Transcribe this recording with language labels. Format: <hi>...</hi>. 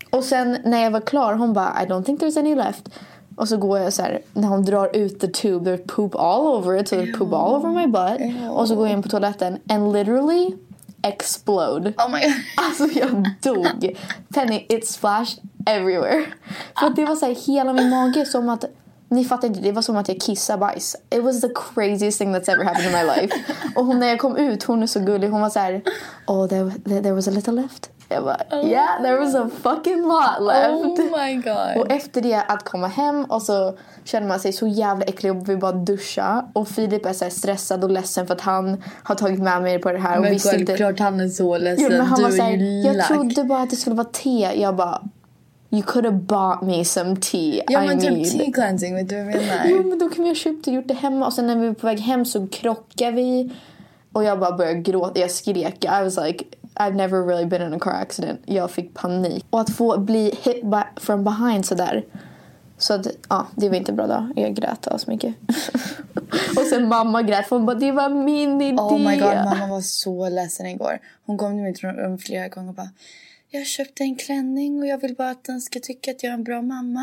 <sv>Och sen när jag var klar, hon bara,</sv> <en>I don't think there's any left.</en> <sv>Och så går jag så här, när hon drar ut</sv> <en>the tube, there's poop all over it. So there's poop all over my butt. Ew.</en> <sv>Och så går jag in på toaletten.</sv> <en>And literally explode. Oh my god.</en> <sv>Alltså jag dog. Penny,</sv> <en>it splashed everywhere.</en> <sv>För det var så här, hela min mage som att, ni fattar inte, det var som att jag kissade bajs.</sv> <en>It was the craziest thing that's ever happened in my life.</en> <sv>Och när jag kom ut, hon är så gullig, hon var så här,</sv> <en>oh, there was a little left.</en> <sv>Jag bara,</sv> <en>yeah, there was a fucking lot left. Oh my god.</en> <sv>Och efter det att komma hem, och så känner man sig så jävla äcklig och vill bara duscha. Och Filip är så här stressad och ledsen för att han har tagit med mig på det här. Och men självklart, han är så ledsen. Jo, men han var så här, jag trodde bara att det skulle vara te. Jag bara,</sv> <en>you could have bought me some tea.</en> <sv>Ja, men typ tea cleansing, vet du vad jag menar? Jo, men då kan vi ha köpt och gjort det hemma. Och sen när vi är på väg hem så krockar vi. Och jag bara började gråta, jag skrek.</sv> <en>I was like, I've never really been in a car accident.</en> <sv>Jag fick panik. Och att få bli</sv> <en>hit from behind</en> <sv>så där. Så att, ja, det var inte bra då. Jag grät alls mycket. Och sen mamma grät. För hon bara, det var min idé.</sv> <en>Oh my god,</en> <sv>mamma var så ledsen igår. Hon kom till mitt rum flera gånger och bara, jag köpte en klänning och jag vill bara att den ska tycka att jag är en bra mamma.</sv>